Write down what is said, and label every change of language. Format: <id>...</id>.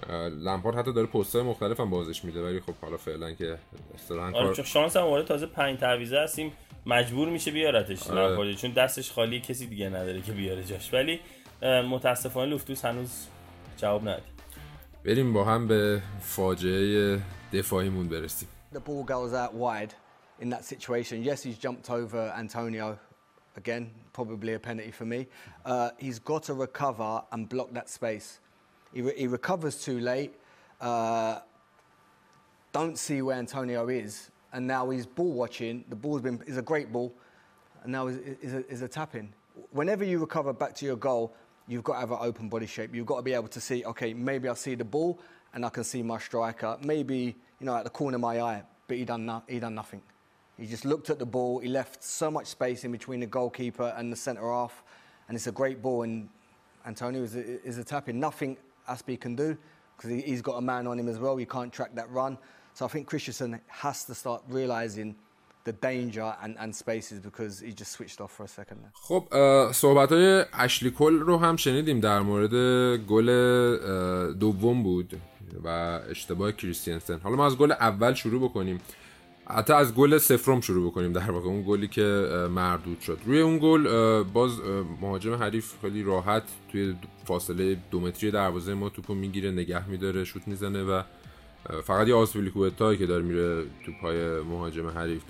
<fa>لمپارد حتی داره پست‌های مختلف هم بازش میده، ولی خب حالا فعلا که استران کار. آره چون شانس هم آورده، تازه پنج تعویضه هستیم، مجبور میشه بیارتش لمپارد چون دستش خالی، کسی دیگه نداره که بیاره جاش، ولی متاسفانه لوفتوس هنوز جواب نداد. بریم با هم به فاجعه دفاعیمون برسیم.</fa> <en>The ball goes out wide in that situation. Yes, he's jumped over Antonio again, probably a penalty for me. He's got to recover and block that space. He recovers too late. Don't see where Antonio is, and now he's ball watching. The ball's been is a great ball, and now is a tapping. Whenever you recover back to your goal, you've got to have an open body shape. You've got to be able to see, okay, maybe I see the ball and I can see my striker. Maybe, you know, at the corner of my eye, but he done nothing. He just looked at the ball. He left so much space in between the goalkeeper and the centre half, and it's a great ball. And Antonio is a tapping. Nothing Aspi can do because he's got a man on him as well. He can't track that run. So I think Christensen has to start realizing the danger and spaces because he just switched off for a second.</en> <fa>خب صحبت‌های اشلی کول رو هم شنیدیم در مورد گل دوم بود و اشتباه کریستینسن. حالا ما از گل اول شروع بکنیم. حتی از گل سفرم شروع بکنیم، در واقع اون گلی که مردود شد. روی اون گل باز مهاجم حریف خیلی راحت توی فاصله 2 متری دروازه ما توپو میگیره، نگه میداره، شوت میزنه و فقط یه آسپیلیکوئتا که داره میره تو پای مهاجم حریف.</fa>